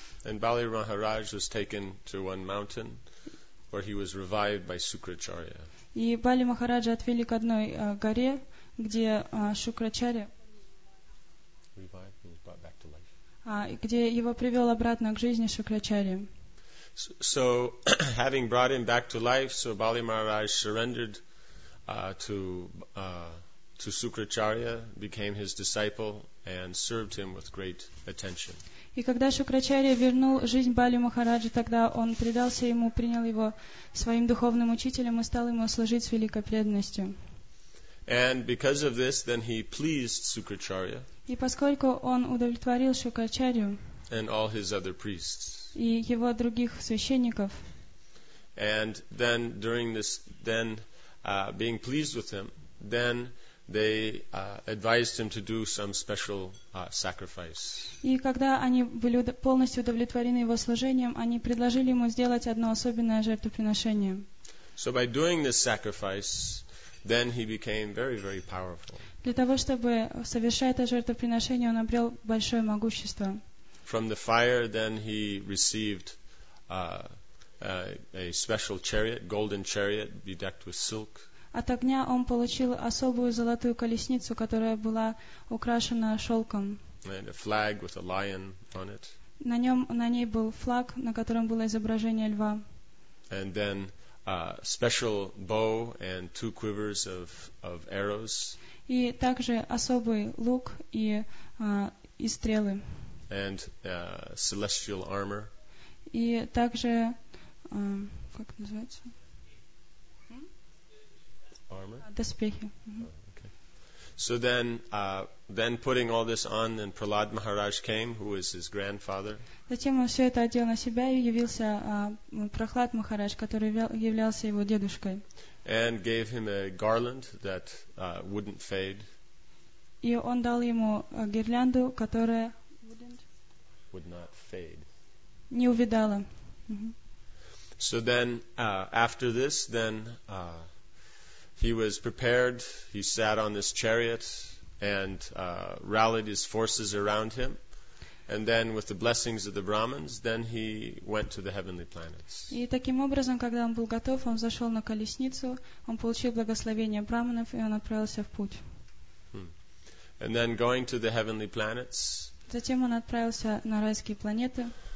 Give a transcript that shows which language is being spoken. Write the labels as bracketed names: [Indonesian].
[English] And Bali Maharaj was taken to one mountain where he was revived by Sukracharya. [Russian] И Бали Махараджа отвели к одной горе, где Шукрачарья. [English] Revived, he was brought back to life. [Russian] Где его привел обратно к жизни Шукрачарья. [English] So having brought him back to life, so Bali Maharaj surrendered to Sukracharya, became his disciple and served him with great attention. [Russian] И когда Шукрачарья вернул жизнь Бали Махараджу, тогда он предался ему, принял его своим духовным учителем и стал ему служить с великой преданностью. [English] And because of this, then he pleased Sukracharya. [Russian] И поскольку он удовлетворил Шукрачарью. [English] And all his other priests. [Russian] И его других священников. [English] And then during this, then being pleased with him, then they advised him to do some special sacrifice. [Russian] И когда они были полностью удовлетворены его служением, они предложили ему сделать одно особенное жертвоприношение. [English] So by doing this sacrifice, then he became very, very powerful. [Russian] Для того, чтобы совершать это жертвоприношение, он обрел большое могущество. [English] From the fire, then he received a special chariot, golden chariot, bedecked with silk. [Russian] От огня он получил особую золотую колесницу, которая была украшена шелком. [English] And a flag with a lion on it. [Russian] На ней был флаг, на котором было изображение льва. [English] And then a special bow and two quivers of arrows. [Russian] И также особый лук и стрелы. [English] And celestial armor. [Russian] И также как называется? [English] Armor? [Russian] Доспехи. [English] So then putting all this on, then Prahlad Maharaj came, who is his grandfather. [Russian] Затем он все это одел на себя и явился Прохлад Махарадж, который являлся его дедушкой. [English] And gave him a garland that wouldn't fade. [Russian] И он дал ему гирлянду, которая [English] would not fade. [Russian] Не увидала. [English] So then after this, then he was prepared, he sat on this chariot and rallied his forces around him, and then with the blessings of the Brahmins, then he went to the heavenly planets. [Russian] И таким образом, когда он был готов, он зашел на колесницу, он получил благословение Брахманов, и он отправился в путь. [English] And then going to the heavenly planets, [Russian] затем он отправился на райские планеты.